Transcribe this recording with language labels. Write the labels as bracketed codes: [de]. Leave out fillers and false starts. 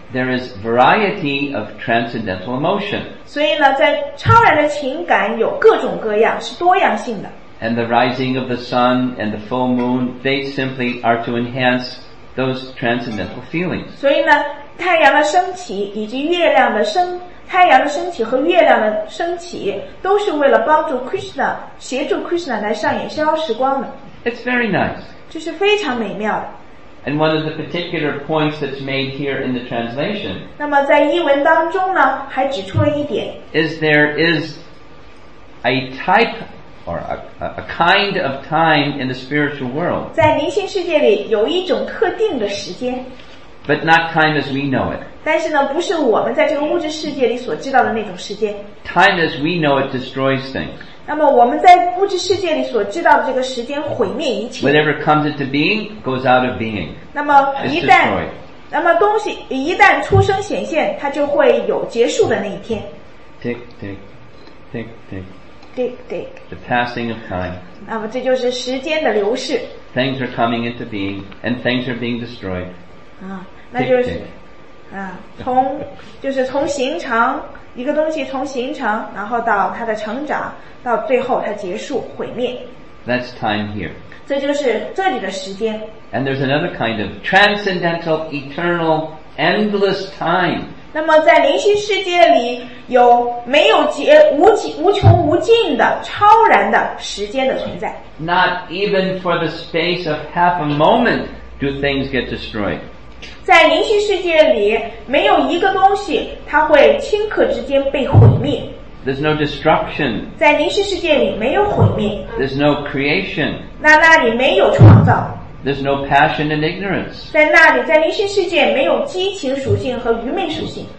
[en] There is variety of transcendental emotion. [zh] 所以呢在超然的情感有各种各样是多样性的。 [en] And the rising of the sun and the full moon, they simply are to enhance those transcendental feelings. [zh] 所以呢，太阳的升起以及月亮的升，太阳的升起和月亮的升起，都是为了帮助 Krishna, 协助 Krishna 来上演逍遥时光的。 [en] It's very nice. [zh] 这是非常美妙的。 [en] And one of the particular points that's made here in the translation. [zh] 那么在译文当中呢，还指出了一点。 [en] Is there is a type. Or a kind of time in the spiritual world. [zh] 在灵性世界里有一种特定的时间。 [en] But not time as we know it. [zh] 但是呢，不是我们在这个物质世界里所知道的那种时间。 [en] Time as we know it destroys things. [zh] 那么我们在物质世界里所知道的这个时间毁灭一切。 [en] Whatever comes into being goes out of being. [zh] 那么一旦，那么东西一旦出生显现，它就会有结束的那一天。 [en] Tick tick, tick tick. Dick, dick. The passing of time. [zh] 那么这就是时间的流逝。 [en] Things are coming into being, and things are being destroyed. [zh] 那就是 从就是从形成一个东西，从形成，然后到它的成长，到最后它结束毁灭。 [en] That's time here. [zh] 这就是这里的时间。 [en] And there's another kind of transcendental, eternal, endless time. [zh] 那么在灵性世界里有没有结无尽无穷无尽的超然的时间的存在。 [en] Not even for the space of half a moment do things get destroyed. [zh] 在灵性世界里没有一个东西它会顷刻之间被毁灭。 [en] There's no destruction. [zh] 在灵性世界里没有毁灭。 [en] There's no creation. [zh] 那里没有创造。 [en] There's no passion and ignorance. [zh] 在那里，在灵性世界没有激情属性和愚昧属性。